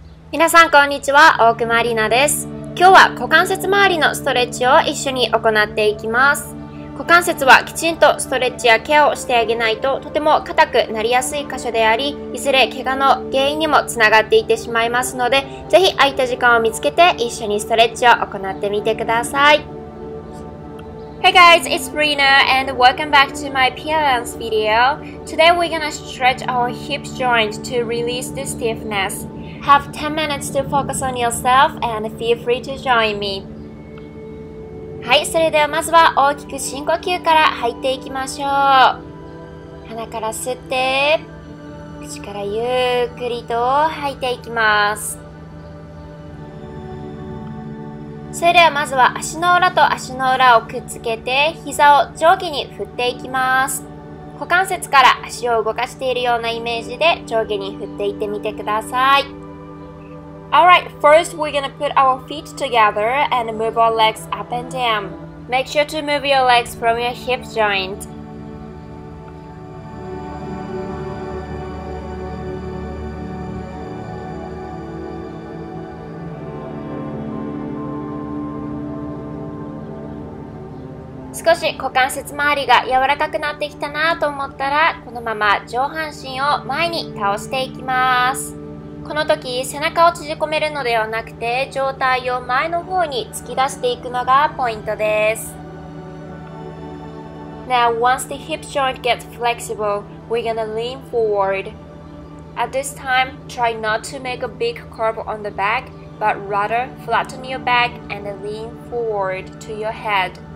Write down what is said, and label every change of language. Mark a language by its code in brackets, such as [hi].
[ja] 皆さんこんにちは、大熊里奈です。今日は股関節周りのストレッチを一緒に行っていきます。股関節はきちんとストレッチやケアをしてあげないと、とても硬くなりやすい箇所であり、いずれ怪我の原因にもつながっていってしまいますので、ぜひ空いた時間を見つけて一緒にストレッチを行ってみてください。 [en] Hey guys, it's Rina and welcome back to my PLNS video. Today we're gonna stretch our hips joint to release the stiffness. Have 10 minutes to focus on yourself and feel free to join me. [ja] はい、それではまずは大きく深呼吸から入っていきましょう。鼻から吸って、口からゆっくりと吐いていきます。それではまずは足の裏と足の裏をくっつけて膝を上下に振っていきます。股関節から足を動かしているようなイメージで上下に振っていってみてください。 [en] Alright, first we're gonna put our feet together and move our legs up and down. Make sure to move your legs from your hip joint. [ja] 少し股関節周りが柔らかくなってきたなと思ったら、このまま上半身を前に倒していきます。この時背中を縮めるのではなくて、上体を前の方に突き出していくのがポイントです。 [en] Now once the hip joint gets flexible, we're gonna lean forward. At this time, try not to make a big curve on the back, but rather flatten your back and lean forward to your head.